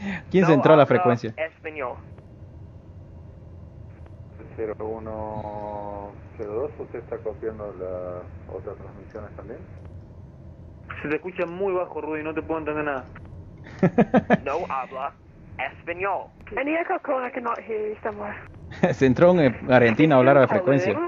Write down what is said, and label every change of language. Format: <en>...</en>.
<es>¿Quién no se entró a la frecuencia? Español. 0102, ¿usted está copiando las otras transmisiones también? Se te escucha muy bajo, Rudy, no te puedo entender nada. No habla español.</es> <en>Any echo call, I cannot hear you somewhere.</en> <es>Se entró en Argentina a hablar a la frecuencia.</es>